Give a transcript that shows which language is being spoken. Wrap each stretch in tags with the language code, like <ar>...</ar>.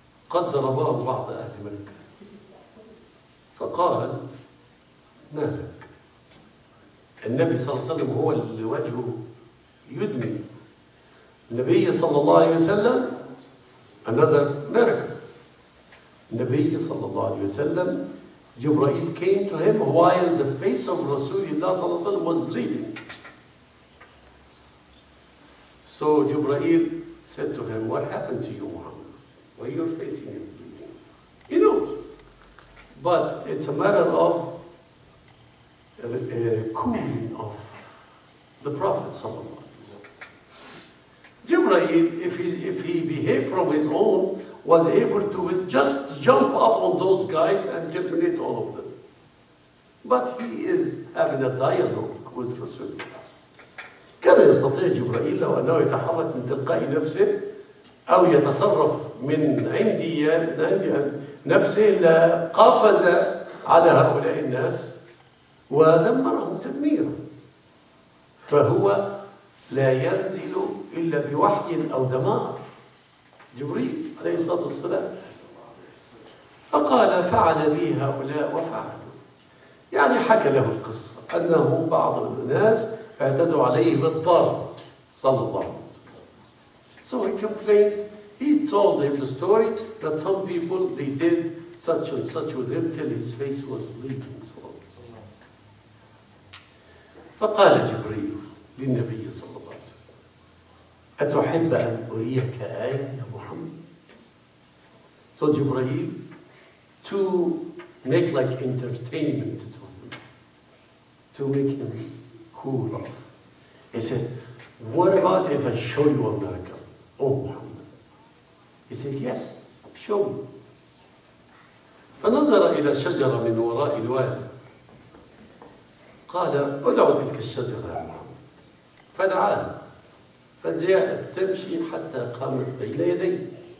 <ar>قد ضربه بعض أهل مكة فقال ما لك؟ النبي صلى الله عليه وسلم هو وجهه يدمي. النبي صلى الله عليه وسلم</ar> <en>another miracle. النبي صلى الله عليه وسلم جبرائيل came to him while the face of Rasulullah صلى الله عليه وسلم was bleeding. So جبرائيل said to him, what happened to you, Muhammad? Why your face is bleeding? He knows. But it's a matter of cooling off the Prophet صلى الله عليه وسلم. Jibreel, if he behaved from his own, was able to just jump up on those guys and terminate all of them. But he is having a dialogue with Rasulullah.</en> <ar>كان يستطيع جبرائيل لو أنه يتحرك من تلقاء نفسه أو يتصرف من عندي نفسه لقفز على هؤلاء الناس ودمرهم تدميرا. فهو لا ينزل إلا بوحي أو دمار. جبريل عليه الصلاة والسلام فقال فعل بي هؤلاء وفعلوا. يعني حكى له القصة أنه بعض الناس اعتدوا عليه بالضرب صلى الله عليه وسلم.</ar> <en>So he complained, he told him the story that some people they did such and such with him till his face was bleeding. So on.</en> <ar>فقال جبريل للنبي صلى الله عليه وسلم أتحب أن أريك آية يا محمد؟</ar> <en>So جبريل to make like entertainment to him, to make him cool off. He said, what about if I show you a miracle, oh Muhammad? He said, yes, show me.</en> <ar>فنظر إلى شجرة من وراء الوادي. قال ادعو تلك الشجرة يا محمد. فدعاها فجاءت تمشي حتى قامت بين يديه.</ar>